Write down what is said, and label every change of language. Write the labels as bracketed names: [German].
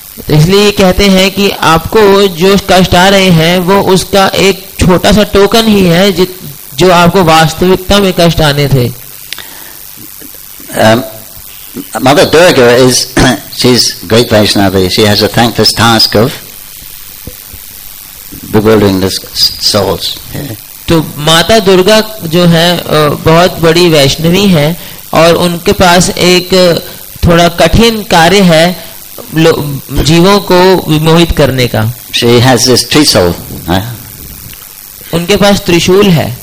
[Hindi] इसलिए कहते हैं कि आपको जो कष्ट आ रहे हैं वो उसका एक छोटा सा टोकन ही है जो आपको वास्तविकता में कष्ट आने थे. [English] Mother Durga is she's great Vaishnavi. She has a thankless task of bewildering the souls. [Hindi] तो माता दुर्गा जो है बहुत बड़ी वैष्णवी है और उनके पास एक थोड़ा कठिन कार्य है जीवों को विमोहित करने का. [English] She has this trishul. [Hindi] उनके पास त्रिशूल है.